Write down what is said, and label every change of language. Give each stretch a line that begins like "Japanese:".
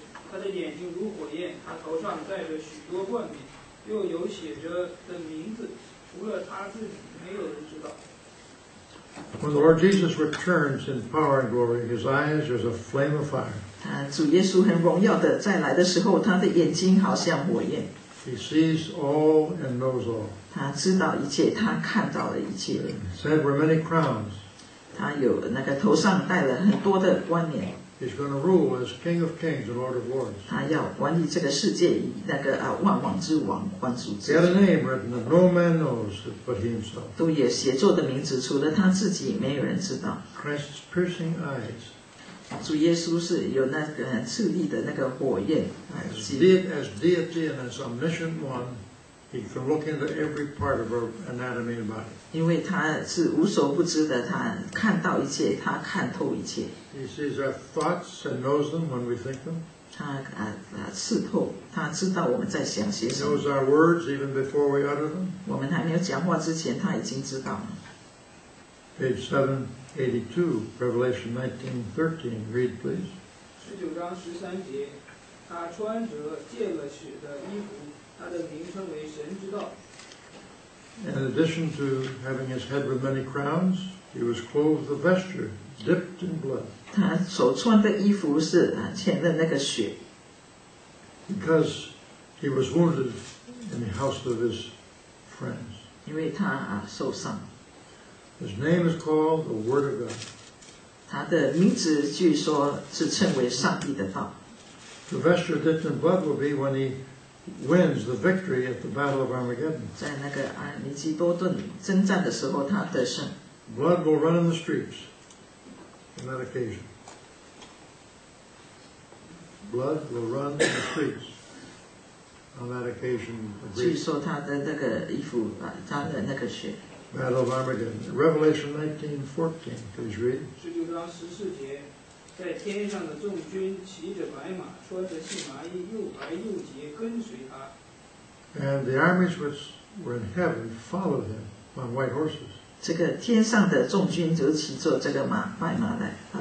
Chinese: 他的眼睛如火焰，他头上戴着许多冠冕。又有写着的名字，除了他自己，没有人知道。
English: When the Lord Jesus returns in power and glory, His eyes are as a flame of fire.
Chinese: 他主耶稣很荣耀的再来的时候，他的眼睛好像火焰。
English: He sees all and knows all.
Chinese: 他知道一切，他看到了一切。
English: His head wears many crowns.
Chinese: 他有那个头上戴了很多的冠冕。
English: He's going to rule as King of Kings and Lord of Lords.
Chinese: 他要管理这个世界，那个万王之王，万主之主。
English: He had a name written that no man knows but himself.
Chinese: 都有写作的名字，除了他自己，没有人知道。
English: Christ's piercing eyes.
Chinese: 主耶稣是有那个刺激的那个火焰。
English: As deity and as omniscient one, he can look into every part of our anatomy and body.
Chinese: 因为他是无所不知的，他看到一切，他看透一切。
English: He sees our thoughts and knows them when we think them.
Chinese: 他刺透，他知道我们在想些什么。
English: He knows our words even before we utter them.
Chinese: 我们还没有讲话之前，他已经知道了。
English: Page 782, Revelation 19:13. Read, please.
Chinese: 19:13, 他穿着借了血的衣服，他的名称为神之道。
English: In addition to having his head with many crowns, he was clothed with a vesture dipped in blood.
Chinese: 他所穿的衣服是浅的那个血。
English: Because he was wounded in the house of his friends.
Chinese: 因为他受伤。
English: His name is called the Word of God.
Chinese: 他的名字据说是称为上帝的道。
English: The vesture dipped in blood will be when he wins the victory at the Battle of Armageddon.
Chinese: 在那个阿尔米基多顿征战的时候，他得胜。
English: Blood will run in the streets on that occasion. Blood will run in the streets on that occasion.
Chinese: 据说他的那个衣服他的那个血。
English: Battle of Armageddon, Revelation 19:14. Please read.
Chinese: 19:14. 在天上的众军骑着白马，穿着细麻衣，又白又洁，跟随他。
English: And the armies which were in heaven followed him on white horses.
Chinese: 这个天上的众军就骑坐这个马，白马来